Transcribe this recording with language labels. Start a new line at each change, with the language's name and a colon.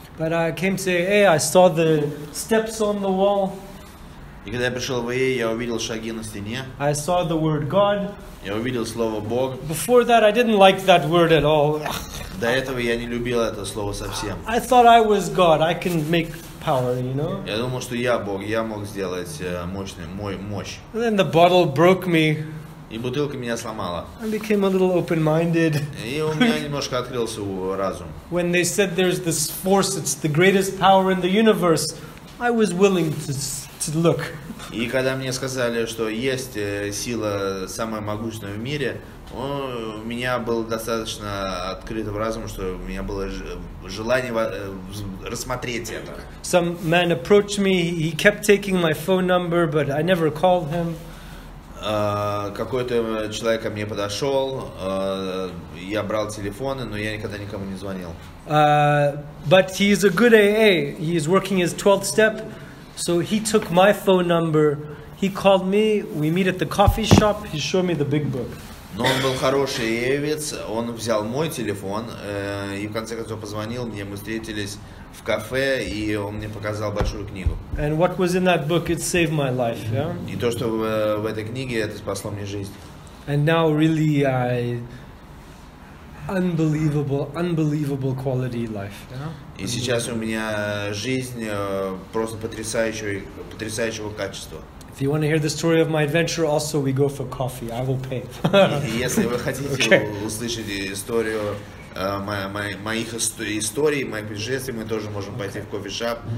English: But I came to AA, I saw the steps on the wall.
Russian: И когда я пришел в АА, я увидел шаги на стене.
English: I saw the word God.
Russian: Я увидел слово Бог.
English: Before that, I didn't like that word at all.
Russian: До этого я не любил это слово совсем.
English: I thought I was God. I can make power, you know?
Russian: Я думал, что я Бог. Я мог сделать мощь.
English: And then the bottle broke me.
Russian: И бутылка меня сломала.
English: I became a little open-minded.
Russian: И у меня немножко открылся разум.
English: When they said there's this force, it's the greatest power in the universe, I was willing to look.
Russian: И когда мне сказали, что есть сила самая могущественная в мире, у меня было достаточно открытого разума, что у меня было желание рассмотреть это.
English: Some man approached me. He kept taking my phone number, but I never called him.
Russian: Какой-то человек ко мне подошел, я брал телефоны, но я никогда никому не звонил.
English: But he's a good AA. He's working his 12th step. So he took my phone number, he called me, we meet at the coffee shop, he showed me the big book.
Russian: Но он был хороший евец, он взял мой телефон, и в конце концов позвонил мне, мы встретились в кафе, и он мне показал большую книгу.
English: And what was in that book, it saved my life, yeah?
Russian: И то, что в этой книге, это спасло мне жизнь.
English: And now really unbelievable, unbelievable quality life. You know?
Russian: И сейчас у меня жизнь просто потрясающего качества.
English: If you want to hear the story of my adventure, also we go for coffee. I will pay.
Russian: Если вы хотите услышать историю моих историй, моих путешествий, мы тоже можем пойти в кофешоп.